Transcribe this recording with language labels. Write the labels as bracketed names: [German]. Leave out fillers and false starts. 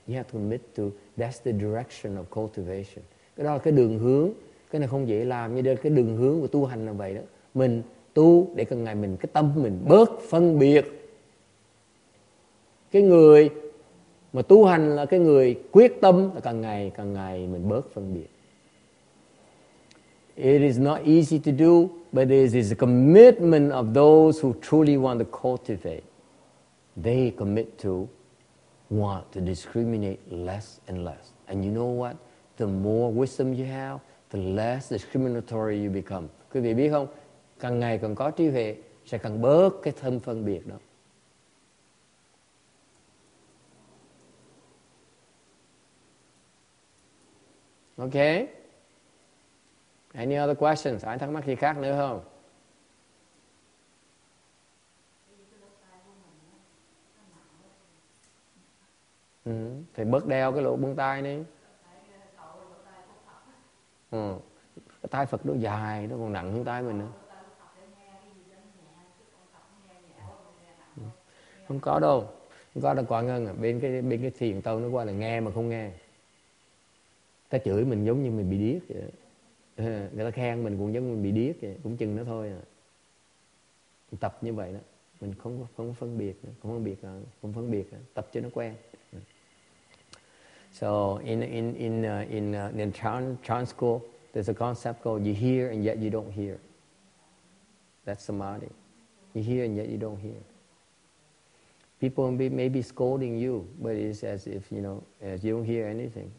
[English] You have to commit to that's the direction of cultivation. [Vietnamese] Cái đó là cái đường hướng. Cái này không dễ làm, như đây là cái đường hướng của tu hành là vậy đó. Mình tu để càng ngày mình cái tâm mình bớt phân biệt. Cái người mà tu hành là cái người quyết tâm là càng ngày mình bớt phân biệt. [English] It is not easy to do, but it is a commitment of those who truly want to cultivate. They commit to want to discriminate less and less. And you know what? The more wisdom you have, the less discriminatory you become. [Vietnamese] Quý vị biết không? Càng ngày càng có trí huệ, sẽ càng bớt cái thân phân biệt đó. [English] Ok? Any other questions? [Vietnamese] Ai thắc mắc gì khác nữa không? Phải bớt đeo cái lỗ bông tai đi. Tai Phật nó dài, nó còn nặng hơn tai mình nữa. Không có đâu. Không có đâu quả ngân. Bên cái thiền tâu nó qua là nghe mà không nghe. Ta chửi mình giống như mình bị điếc vậy. Người ta khen mình cũng giống như mình bị điếc vậy. Cũng chừng nó thôi. Mình tập như vậy đó. Mình không phân biệt nữa. Không phân biệt nữa. Tập cho nó quen. [English] So in chan school, there's a concept called you hear and yet you don't hear. That's samadhi. You hear and yet you don't hear. People may be scolding you, but it's as if you know as you don't hear anything.